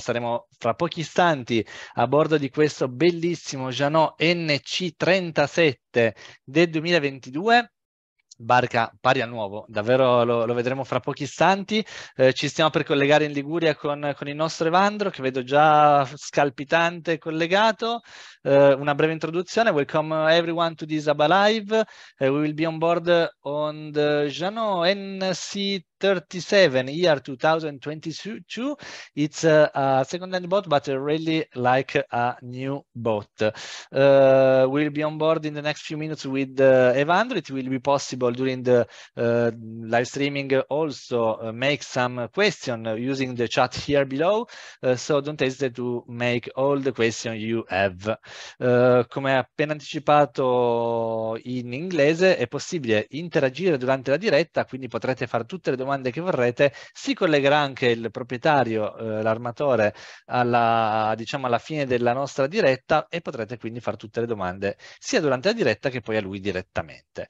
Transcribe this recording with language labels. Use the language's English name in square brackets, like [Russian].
[Italian] Saremo fra pochi istanti a bordo di questo bellissimo Jeannot NC37 del 2022. Barca pari al nuovo, davvero lo vedremo fra pochi istanti. Ci stiamo per collegare in Liguria con il nostro Evandro, che vedo già scalpitante collegato. Una breve introduzione: [English] Welcome everyone to this Abalive. We will be on board on the Jeannot NC37 year 2022. It's a second-hand boat, but really like a new boat. We'll be on board in the next few minutes with Evandro. It will be possible during the live streaming also make some question using the chat here below. So don't hesitate to make all the question you have. [Italian] Come appena anticipato in inglese, è possibile interagire durante la diretta, quindi potrete fare tutte le domande che vorrete. Si collegherà anche il proprietario, l'armatore, diciamo, alla fine della nostra diretta e potrete quindi fare tutte le domande sia durante la diretta che poi a lui direttamente.